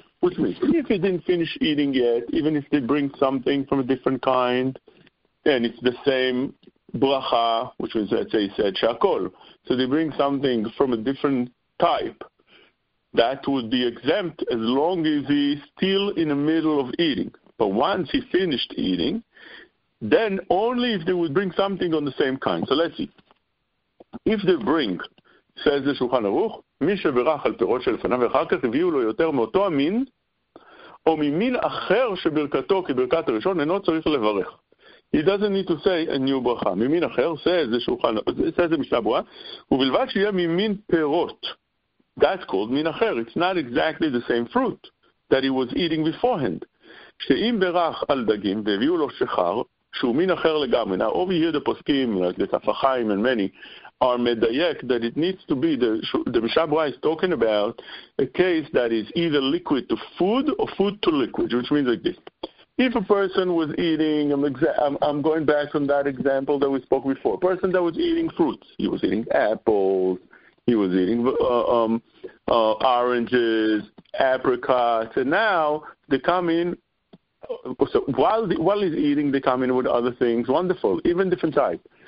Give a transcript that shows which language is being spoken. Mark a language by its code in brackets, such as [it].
[en] Which means, if he didn't finish eating yet, even if they bring something from a different kind, and it's the same bracha, which was, let's say, he said shakol, so they bring something from a different type, that would be exempt as long as he's still in the middle of eating. But once he finished eating, then only if they would bring something on the same kind. So let's see. If they bring, says the Shulchan Aruch, [he] מי שברך על פירות שלפניו ואחר כך הביאו לו יותר מאותו המין או ממין אחר שברכתו כברכת הראשון אינו צריך לברך. [en] He doesn't need to say a new [he] ברכה. ממין אחר, זה משנה ברורה, ובלבד שיהיה ממין פירות. [en] That's called מין אחר. It's not exactly the same fruit that he was eating beforehand. [he] שאם ברך על דגים והביאו לו שחר, שהוא מין אחר לגמרי. [en] Now over here the פוסקים, like the תפחיים and many, are medayek, that it needs to be, the Mishnah Berurah is talking about a case that is either liquid to food or food to liquid, which means like this. If a person was eating, I'm going back on that example that we spoke before, a person that was eating fruits, he was eating apples, he was eating oranges, apricots, and now they come in, so while he's eating, they come in with other things, wonderful, even different types.